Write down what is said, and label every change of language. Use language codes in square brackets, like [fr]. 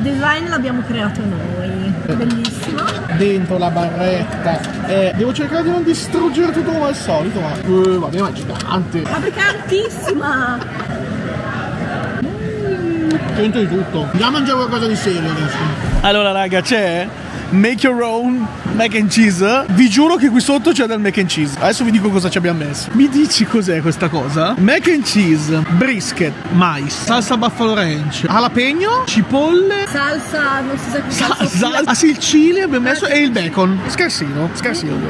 [it] Design l'abbiamo creato noi. Bellissimo. Dentro la barretta. Devo cercare di non distruggere tutto come al solito, ma. Vabbè, ma è gigante. Ma perché è altissima! Sento di tutto. Andiamo a mangiare qualcosa di serio adesso. Allora, raga, c'è? [en] Make your own mac and cheese. [it] Vi giuro che qui sotto c'è del mac and cheese. Adesso vi dico cosa ci abbiamo messo. Mi dici cos'è questa cosa? Mac and cheese, brisket, mais, salsa buffalo ranch, jalapeno, cipolle, salsa, non si sa che cosa. Ah sì, il chili abbiamo messo e il bacon. Scarsino, scarsino.